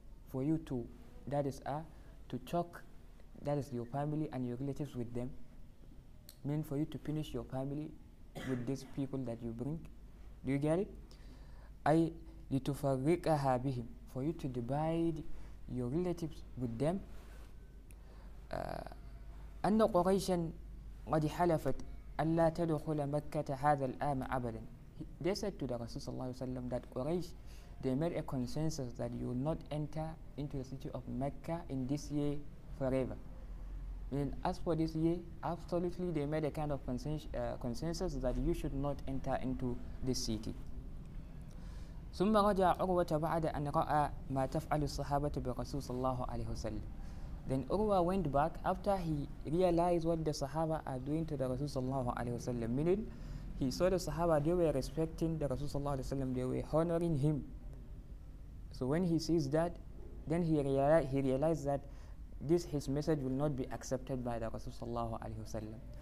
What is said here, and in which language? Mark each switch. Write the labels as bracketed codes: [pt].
[en] For you to, that is, to talk, that is, your family and your relatives with them. Mean for you to finish your family with these people that you bring. Do you get it? [ar] أي لِتُفَرِّقَهَا بِهِمْ. [en] For you to divide your relatives with them. [ar] أن قريشا قد حلفت ألا تدخل مكة هذا العام أبدا. [en] They said to the Rasul [ar] صلى الله عليه وسلم [en] that Quraysh, they made a consensus that you will not enter into the city of Mecca in this year forever. And as for this year, absolutely they made a kind of consensus that you should not enter into this city. [ar] ثم رجع عروة بعد أن رأى ما تفعل الصحابة بالرسول صلى الله عليه وسلم. [en] Then Urwa went back after he realized what the Sahaba are doing to the Rasul sallallahu alayhi wa sallam. Meaning, he saw the Sahaba, they were respecting the Rasul sallallahu alayhi wa sallam, they were honoring him. So when he sees that, then he realized that this his message will not be accepted by the Rasul sallallahu alayhi wa sallam.